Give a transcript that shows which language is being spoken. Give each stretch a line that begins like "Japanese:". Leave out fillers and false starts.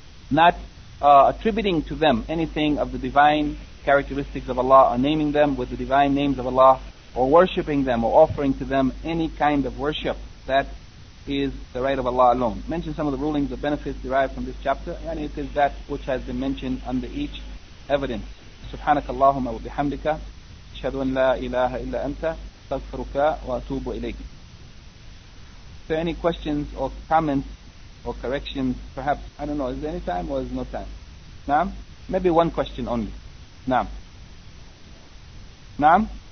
English: not attributing to them anything of the divine characteristics of Allah, or naming them with the divine names of Allah, or worshipping them, or offering to them any kind of worship. That is the right of Allah alone. Mention some of the rulings or benefits derived from this chapter, and it is that which has been mentioned under each evidence.
Arabic: سبحانك اللهم وبحمدك أشهد أن لا إله إلا أنت أستغفرك وأتوب إليك.
English: Is there any questions or comments or corrections? Perhaps, I don't know, is there any time or is there no time? نعم. Maybe one question only. نعم. نعم.